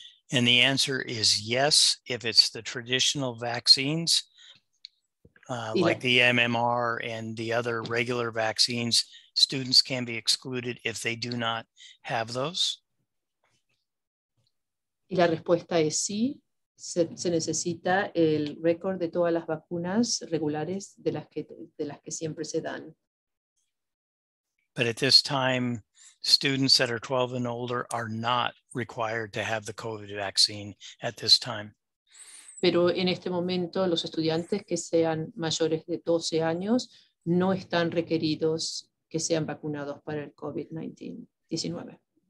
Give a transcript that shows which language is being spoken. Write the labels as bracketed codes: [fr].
[en] And the answer is yes, if it's the traditional vaccines, like the MMR and the other regular vaccines, students can be excluded if they do not have those. [es] Y la respuesta es sí. Se necesita el récord de todas las vacunas regulares de las que siempre se dan. [en] But at this time, students that are 12 and older are not required to have the COVID vaccine at this time. [es] Pero en este momento, los estudiantes que sean mayores de 12 años no están requeridos que sean vacunados para el COVID-19.